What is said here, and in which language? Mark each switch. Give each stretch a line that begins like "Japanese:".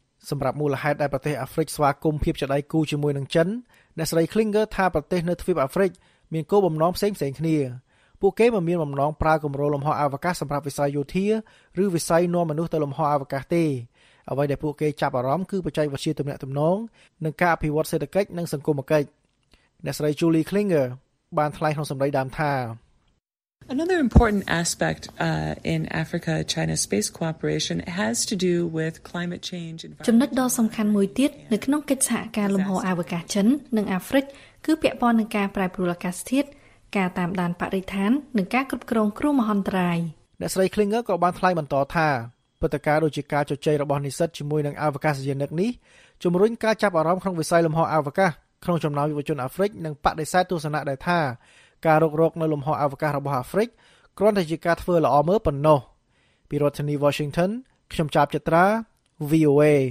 Khmer: សម្រាប់មូលហេតុដែលប្រទេសអាហ្វ្រិកស្វាគមន៍ភាពជាដៃគូជាមួយនឹងចិនអ្នកស្រី Klinger ថាប្រទេសនៅទ្វីបអាហ្វ្រិកមានគោលបំណងផ្សេងៗគ្នាពួកគេមិនមានបំណងប្រើគម្រោងលំហអវកាសសម្រាប់វិស័យយោធាឬវិស័យនាំមនុស្សទៅលំហអវកាសទេអ្វីដែលពួកគេចាប់អារម្មណ៍គឺបច្ចេកវិទ្យាទំនាក់ទំនងនិងការអភិវឌ្ឍសេដ្ឋកិច្ចនិងសង្គមគិច្ចអ្នកស្រី Julie Klinger បានថ្លែងក្នុងសម្ដីដើមថា
English: Another important aspect in Africa-China space cooperation has to do with climate change.
Khmer: ចំណុចដ៏សំខាន់មួយទៀតនៅក្នុងកិច្ចសហការលំហអវកាសចិននិងអាហ្វ្រិកគឺពាក់ព័ន្ធនឹងការប្រែប្រួលអាកាសធាតុការតាមដានបរិស្ថាននិងការគ្រប់គ្រងគ្រោះមហន្តរាយ អ្នកស្រី Klinger ក៏បានថ្លែងបន្តថាព្រឹត្តិការណ៍ដូចជាការជជែករបស់និស្សិតជាមួយនឹងអវកាសយានិកនេះជំរុញការចាប់អារម្មណ៍ក្នុងវិស័យលំហអវកាសក្នុងចំណោមយុវជនអាហ្វ្រិកនិងបដិសេធទស្សនៈដែលថាការរករកនៅលំហអវកាសរបស់អាហ្វ្រិកគ្រាន់តែជាការធ្វើល្អមើលប៉ុណ្ណោះពីរដ្ឋធានី Washington ខ្ញុំចាប់ចត្រា VOA